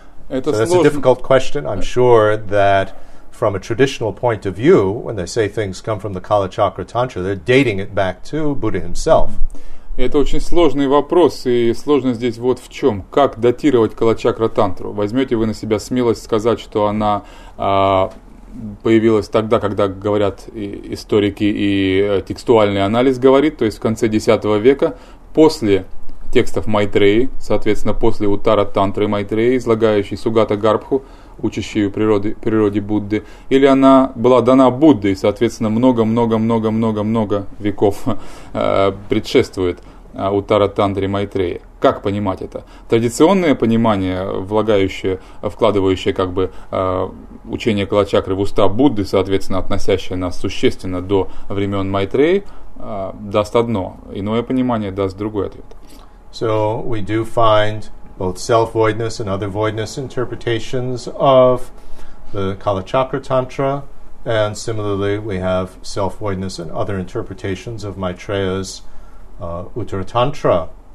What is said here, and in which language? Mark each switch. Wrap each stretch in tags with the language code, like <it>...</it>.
<en>So that's a difficult question. I'm sure that from a traditional point of view, when they say things come from the Kalachakra Tantra, they're dating it back to Buddha himself.</en> <ru>Это очень сложный вопрос, и сложность здесь вот в чем. Как датировать Калачакра-тантру? Возьмете вы на себя смелость сказать, что она появилась тогда, когда говорят историки и текстуальный анализ говорит, то есть в конце X века, после текстов Майтреи, соответственно, после Уттара-тантры Майтреи, излагающей Сугата-гарбху, учащей природе Будды, или она была дана Буддой, соответственно, много-много-много-много-много веков предшествует Уттара-тантре Майтрея. Как понимать это? Традиционное понимание, вкладывающее как бы учение Калачакры в уста Будды, соответственно, относящее нас существенно до времен Майтреи, даст одно. Иное понимание даст другой ответ.</ru> <en>So we do find both self-voidness and other voidness interpretations of the Kalachakra Tantra, and similarly we have self-voidness and other interpretations of Maitreya's Uttara Tantra.</en>